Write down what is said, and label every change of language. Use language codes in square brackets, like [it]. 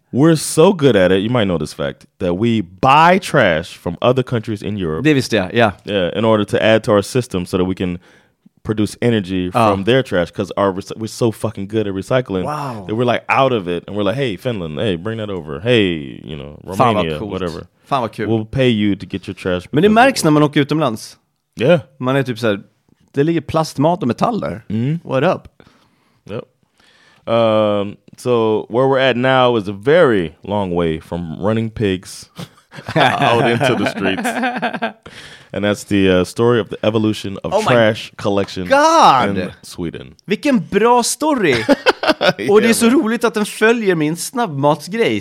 [en] We're so good at it, you might know this fact, that we buy trash from other countries in Europe. [sv] Det visste jag, ja. [en] Yeah, in order to add to our system so that we can... produce energy from their trash, because we're so fucking good at recycling. Wow. That we're like out of it, and we're like, hey, Finland, hey, bring that over. Hey, you know, Romania, whatever. [sv] Fan vad kul. [en] We'll pay you to get your trash. [sv] Men det märks när man åker utomlands. [en] Yeah. [sv] Man är typ såhär, det ligger plastmat och metall där. Mm. [en] What up? Yep. So where we're at now is a very long way from running pigs out into the streets. And that's the story of the evolution of trash collection God. In Sweden. [sv] Vilken bra story! Yeah, och det är så roligt att den följer min snabbmatsgrej.